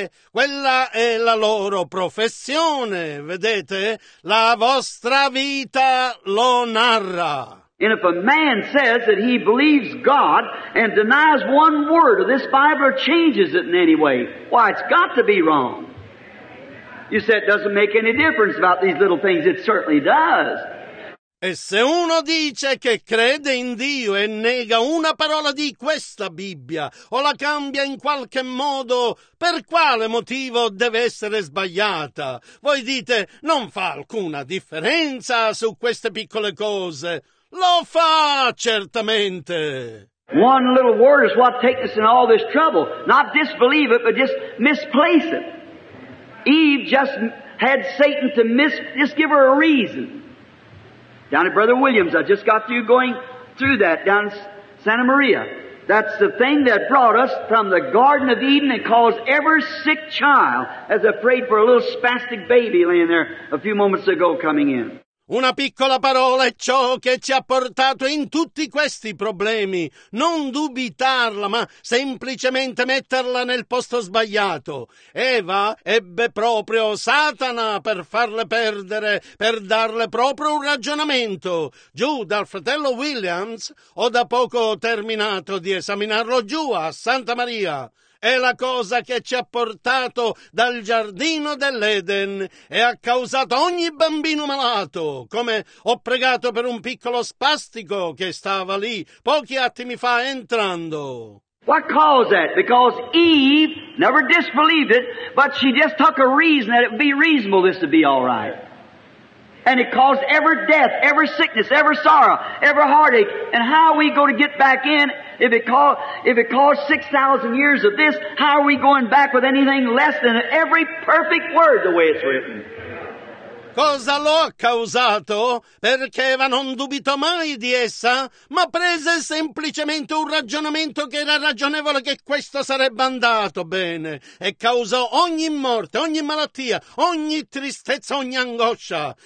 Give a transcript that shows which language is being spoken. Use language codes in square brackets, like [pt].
[it] Quella è la loro professione, vedete? La vostra vita lo narra. [en] And if a man says that he believes God and denies one word of this Bible or changes it in any way, why, it's got to be wrong. You say it doesn't make any difference about these little things. It certainly does. [it] E se uno dice che crede in Dio e nega una parola di questa Bibbia o la cambia in qualche modo, per quale motivo deve essere sbagliata? Voi dite, non fa alcuna differenza su queste piccole cose. Lo fa, certamente. [en] One little word is what takes us in all this trouble. Not disbelieve it, but just misplace it. Eve just had Satan to just give her a reason. Down at Brother Williams, I just got through going through that down in Santa Maria. That's the thing that brought us from the Garden of Eden and caused every sick child as afraid for a little spastic baby laying there a few moments ago coming in. [it] Una piccola parola è ciò che ci ha portato in tutti questi problemi. Non dubitarla, ma semplicemente metterla nel posto sbagliato. Eva ebbe proprio Satana per farle perdere, per darle proprio un ragionamento. Giù dal fratello Williams, ho da poco terminato di esaminarlo giù a Santa Maria. È la cosa che ci ha portato dal giardino dell'Eden e ha causato ogni bambino malato, come ho pregato per un piccolo spastico che stava lì pochi attimi fa entrando. [en] What caused that? Because Eve never disbelieved it, but she just took a reason that it would be reasonable this to be all right. And it caused every death, every sickness, every sorrow, every heartache. And how are we going to get back in if it caused 6,000 years of this? How are we going back with anything less than every perfect word the way it's written? [it] Cosa lo ha causato? Perché Eva non dubitò mai di essa, ma prese semplicemente un ragionamento che era ragionevole che questo sarebbe andato bene e causò ogni morte, ogni malattia, ogni tristezza, ogni angoscia.